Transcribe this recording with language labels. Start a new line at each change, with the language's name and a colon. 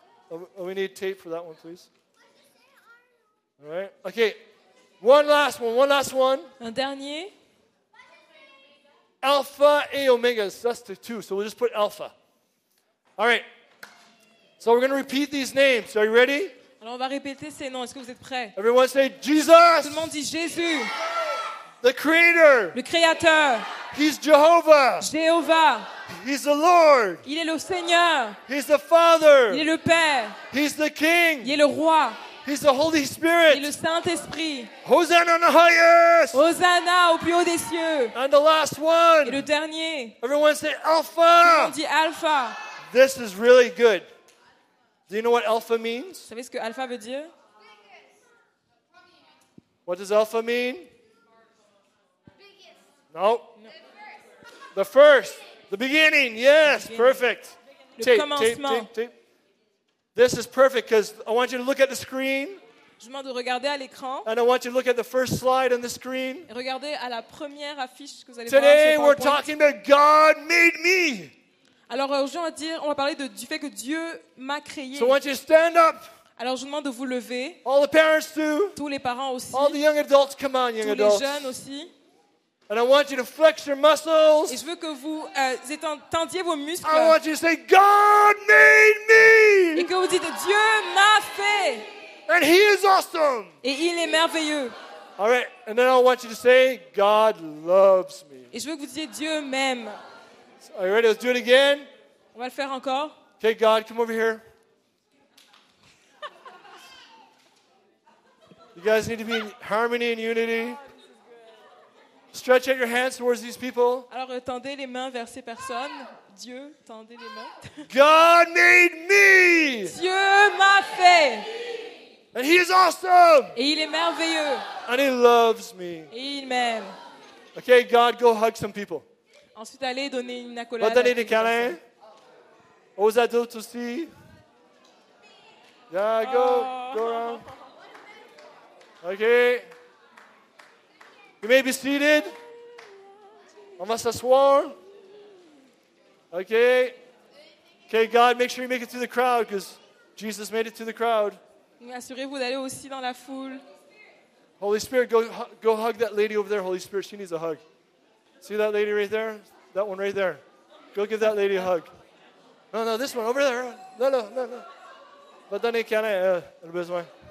English: Oh, we need tape for that one, please. All right. Okay. One last one.
French: Un dernier.
English: Alpha and Omega. So that's the two. So we'll just put Alpha. All right. So we're going to repeat these names. Are you ready?
French: Alors on va répéter ces noms. Est-ce que vous êtes prêts?
English: Everyone say Jesus.
French: Tout le monde dit Jésus.
English: The Creator.
French: Le Créateur.
English: He's Jehovah.
French: Jéhovah.
English: He's the Lord.
French: Il est le Seigneur.
English: He's the Father.
French: Il est le Père.
English: He's the King.
French: Il est le Roi.
English: He's the Holy Spirit.
French: Il est le Saint-Esprit.
English: Hosanna in the highest.
French: Hosanna au plus haut des cieux.
English: And the last one.
French: Et le dernier.
English: Everyone say Alpha.
French: Tout le monde dit Alpha.
English: This is really good. Do you know what alpha means?
French: Vous savez ce que alpha veut dire?
English: What does alpha mean? Biggest. No. The first. The beginning. Yes, the beginning. Perfect.
French: Le tape, commencement. Tape.
English: This is perfect because I want you to look at the screen.
French: Je demande de regarder à l'écran.
English: And I want you to look at the first slide on the screen.
French: Et regardez à la première affiche que vous allez
English: Today
French: voir.
English: Today we're talking about God made me.
French: Alors aujourd'hui, on va parler du fait que Dieu m'a créé.
English: So why don't you stand up?
French: Alors je vous demande de vous lever.
English: All the parents too.
French: Tous les parents aussi.
English: All the young adults, come on, young
French: Tous
English: adults.
French: Les jeunes aussi.
English: And I want you to flex your muscles.
French: Et je veux que vous étendiez vos muscles.
English: I want you to say, God made me.
French: Et que vous dites, Dieu m'a fait.
English: And he is awesome.
French: Et il est merveilleux.
English: All right. And then I want you to say, God loves me. Et je veux que vous disiez, Dieu m'aime. Are you ready? Let's do it again.
French: On va le faire encore.
English: Okay, God, come over here. You guys need to be in harmony and unity. Stretch out your hands towards these people.
French: Alors tendez les mains vers ces personnes. Dieu, tendez les mains.
English: God made me.
French: Dieu m'a fait.
English: And he is awesome.
French: Et il est merveilleux.
English: And he loves me.
French: Et il m'aime.
English: Okay, God, go hug some people.
French: Ensuite, allez donner une accolade. Va donner des câlins. Aux adultes aussi.
English: Yeah, go, go around. Okay. You may be seated.
French: On va s'asseoir.
English: Okay. Okay, God, make sure you make it to the crowd because Jesus made it to the crowd.
French: Assurez-vous d'aller aussi dans la foule.
English: Holy Spirit, go hug that lady over there. Holy Spirit, she needs a hug. See that lady right there? That one right there. Go give that lady a hug. No, no, this one over there. No.
French: Va donner un câlin, elle a besoin.